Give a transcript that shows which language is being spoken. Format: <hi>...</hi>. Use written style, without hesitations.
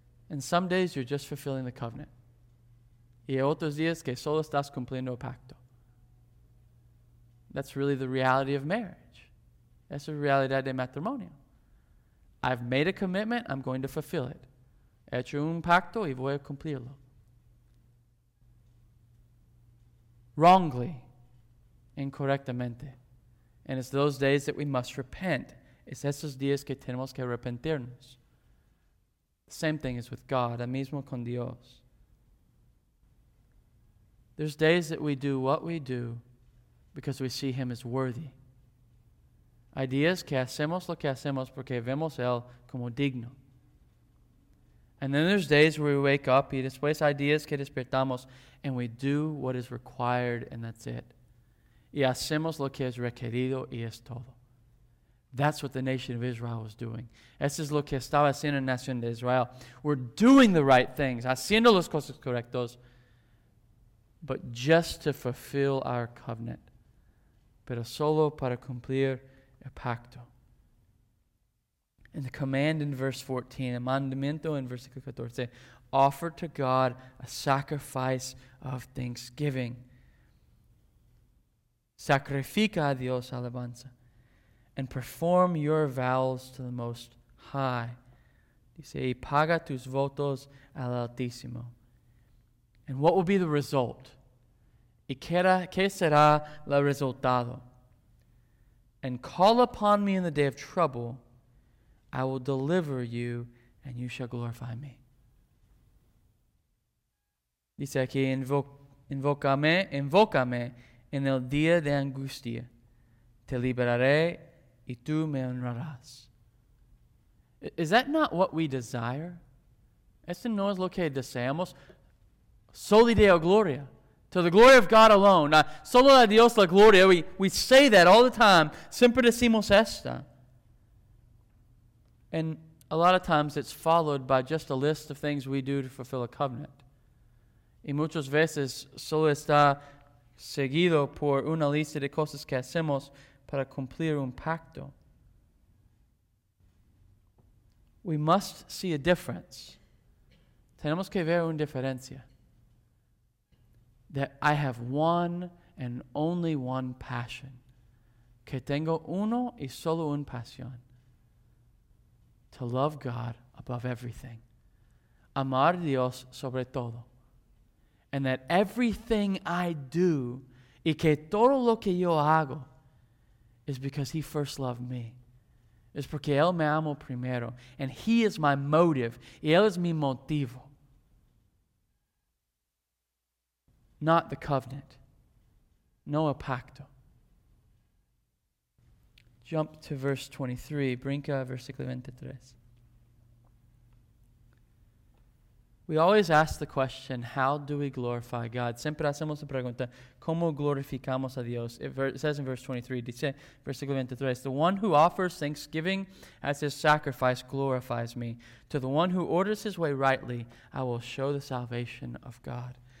<en>And some days you're just fulfilling the covenant.</en> <es>Y otros días que solo estás cumpliendo el pacto.</es> <en>That's really the reality of marriage.</en> <es>Es la realidad de matrimonio.</es> <en>I've made a commitment, I'm going to fulfill it.</en> <es>He hecho un pacto y voy a cumplirlo.</es> <en>Wrongly,</en> <es>incorrectamente.</es> <en>And it's those days that we must repent.</en> <es>Es esos días que tenemos que arrepentirnos.</es> <en>Same thing is with God.</en> <es>El mismo con Dios.</es> <en>There's days that we do what we do because we see him as worthy.</en> <es>Hay días que hacemos lo que hacemos porque vemos a él como digno.</es> <en>And then there's days where we wake up</en> <es>y después hay días que despertamos</es> <en>and we do what is required and that's it.</en> <es>Y hacemos lo que es requerido y es todo.</es> <en>That's what the nation of Israel was doing.</en> <es>Eso es lo que estaba haciendo la nación de Israel.</es> <en>We're doing the right things,</en> <es>haciendo las cosas correctas,</es> <en>but just to fulfill our covenant.</en> <es>Pero solo para cumplir el pacto.</es> <en>And the command in verse 14,</en> <es>el mandamiento</es> <en>in versículo 14, offer to God a sacrifice of thanksgiving.</en> <es>Sacrifica a Dios alabanza.</es> <en>And perform your vows to the Most High.</en> <es>Dice, y paga tus votos al Altísimo.</es> <en>And what will be the result?</en> <es>Y qué será el resultado?</es> <en>And call upon me in the day of trouble, I will deliver you, and you shall glorify me.</en> <es>Dice aquí, invócame en el día de angustia. Te liberaré, y tú me honrarás.</es> <en>Is that not what we desire?</en> <es>Esto no es lo que deseamos.</es> <la>Soli Deo gloria.</la> <en>To the glory of God alone.</en> <es>Solo a Dios la gloria.</es> <en>We say that all the time.</en> <es>Siempre decimos esta.</es> <en>And a lot of times it's followed by just a list of things we do to fulfill a covenant.</en> <es>Y muchas veces solo está seguido por una lista de cosas que hacemos para cumplir un pacto.</es> <en>We must see a difference.</en> <es>Tenemos que ver una diferencia.</es> <en>That I have one and only one passion.</en> <es>Que tengo uno y solo un pasión.</es> <en>To love God above everything.</en> <es>Amar Dios sobre todo.</es> <en>And that everything I do,</en> <es>y que todo lo que yo hago,</es> <en>is because he first loved me.</en> <es>Es porque él me amó primero.</es> <en>And he is my motive.</en> <es>Y él es mi motivo.</es> <en>Not the covenant.</en> <es>No a pacto.</es> <en>Jump to verse 23.</en> <es>Brinca, versículo 23.</es> <en>We always ask the question, how do we glorify God?</en> <es>Siempre hacemos la pregunta, ¿cómo glorificamos a Dios?</es> <en>It says in verse 23,</en> <es>dice, versículo 23,</es> <en>the one who offers thanksgiving as his sacrifice glorifies me. To the one who orders his way rightly, I will show the salvation of God.</en>